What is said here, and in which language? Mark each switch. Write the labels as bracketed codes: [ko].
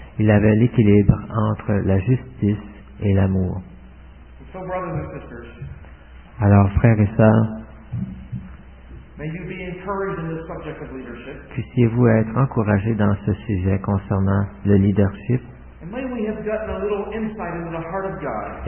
[fr] Il avait l'équilibre entre la justice et l'amour. [en] So, brothers and sisters, [fr] alors, frères et sœurs, [en] may you be encouraged in this subject of leadership. [fr] Puissiez-vous être encouragés dans ce sujet concernant le leadership. [en] And may we have gotten a little insight into the heart of God.